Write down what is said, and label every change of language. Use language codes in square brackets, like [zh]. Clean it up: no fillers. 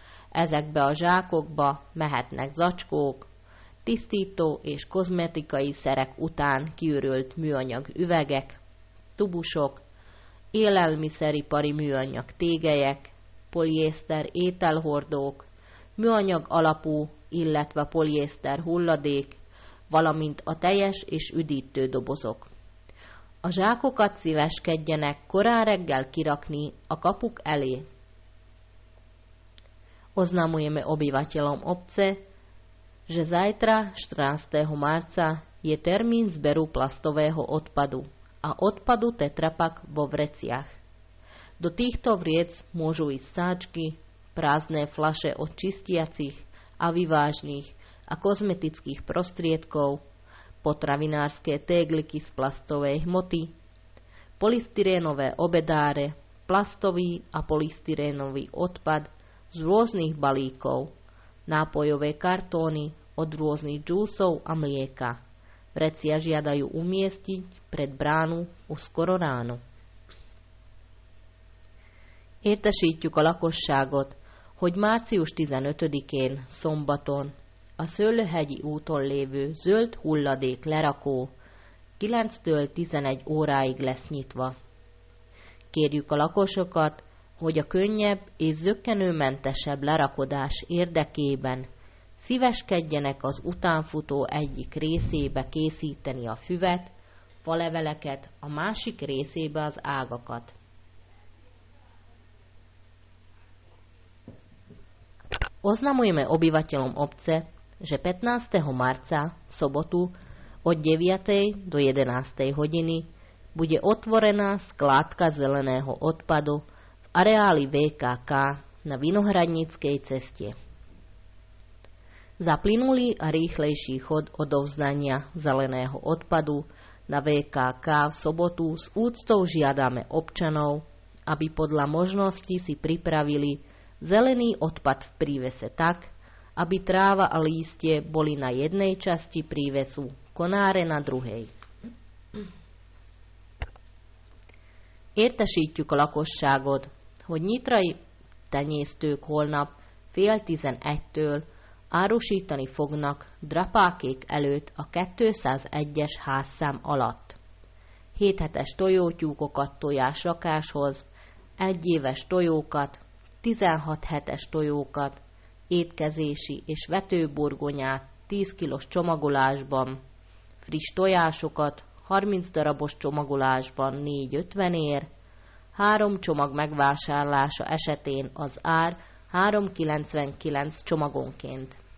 [hu] Ezekbe a zsákokba mehetnek zacskók, tisztító és kozmetikai szerek után kiürült műanyag üvegek, tubusok, élelmiszeripari műanyag tégelyek, poliészter ételhordók, műanyag alapú, illetve poliészter hulladék, valamint a teljes és üdítő dobozok. A zsákokat szíveskedjenek korán reggel kirakni a kapuk elé. [sk] Oznamujeme obyvateľom obce, že zajtra 14. marca je termín zberu plastového odpadu a odpadu tetrapak vo vreciach. Do týchto vriec môžu ísť sáčky, prázdne fľaše od čistiacich a vyvážnych a kozmetických prostriedkov, potravinárske tegliky z plastovej hmoty, polystyrénové obedáre, plastový a polystyrénový odpad z rôznych balíkov, nápojové kartóny od rôznych džúsov a mlieka. Vrecia žiadajú umiestniť pred bránu u skoro ráno. [hu] Értesítjük a lakosságot, hogy március 15-én szombaton a Szőlőhegyi úton lévő zöld hulladék lerakó 9-től 11 óráig lesz nyitva. Kérjük a lakosokat, hogy a könnyebb és zökkenőmentesebb lerakodás érdekében szíveskedjenek az utánfutó egyik részébe készíteni a füvet, faleveleket, a másik részébe az ágakat. [sk] Oznamujeme obyvateľom obce, že 15. marca v sobotu od 9. do 11. hodiny bude otvorená skládka zeleného odpadu v areáli VKK na Vinohradníckej ceste. Za plynulý a rýchlejší chod odovzdania zeleného odpadu na VKK v sobotu s úctou žiadame občanov, aby podľa možnosti si pripravili zelený odpad v prívese tak, aby tráva a lístie boli na jednej časti prívesu, konáre na druhej. [hu] Értesítjük a lakosságot, hogy nyitrai tenyésztők holnap 10:30-től árusítani fognak drapákék előtt a 201-es házszám alatt. 7 hetes tojótyúkokat tojásrakáshoz, 1 éves tojókat, 16 hetes tojókat, étkezési és vetőburgonyát 10 kilós csomagolásban, friss tojásokat 30 darabos csomagolásban 4,50 ér, 3 csomag megvásárlása esetén az ár 3,99 csomagonként.